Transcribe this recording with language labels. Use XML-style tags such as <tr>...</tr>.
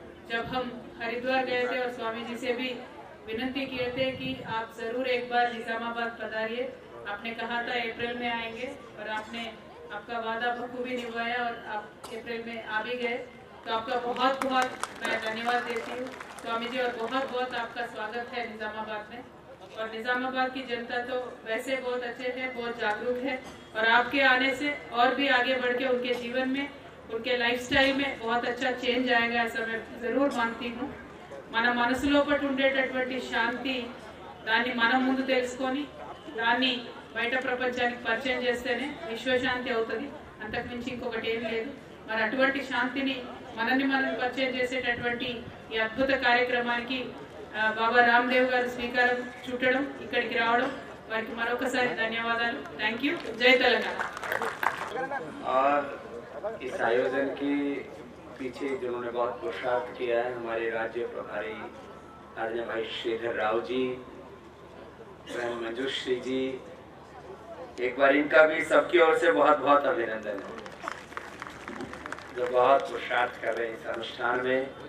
<hi>जब हम हरिद्वार गए थे और स्वामी जी से भी विनती किए थे कि आप जरूर एक बार निजामाबाद पधारिए, आपने कहा था अप्रैल में आएंगे और आपने आपका वादा बखूबी निभाया और आप अप्रैल में आ भी गए, तो आपका बहुत बहुत मैं धन्यवाद देती हूँ स्वामी जी, और बहुत बहुत आपका स्वागत है निजामाबाद में। और निजामाबाद की जनता तो वैसे बहुत अच्छे है, बहुत जागरूक है, और आपके आने से और भी आगे बढ़ के उनके जीवन में उनके लाइफस्टाइल में बहुत अच्छा चेंज आएगा ऐसा मैं जरूर मानती हूँ।</hi> <te>मन मनसुलोको ఉండేటటువంటి శాంతి దాని మన ముందు తెలుసుకొని దాని బయట ప్రపంచానికి పరిచయం చేస్తేనే విశ్వశాంతి అవుతుంది, అంతకు మించి ఇంకొకటి ఏం లేదు। మరి అటువంటి శాంతిని మనల్ని మనం పరిచయం చేసేటటువంటి ఈ అద్భుత కార్యక్రమానికి బాబా రామ్దేవ్ గారు శ్రీకారం చుట్టడం, ఇక్కడికి రావడం, వారికి మరొకసారి ధన్యవాదాలు।</te> <en>thank you, జై</en> <te>తెలంగాణ।</te> <hi>ఆయోజన్ కి पीछे जिन्होंने बहुत प्रोत्साहित किया है हमारे राज्य प्रभारी राजा भाई श्रीधर राव जी, स्वयं मंजूश्री जी, एक बार इनका भी सबकी ओर से बहुत बहुत अभिनंदन है जो बहुत प्रोत्साहित कर रहे हैं इस अनुष्ठान में।</hi>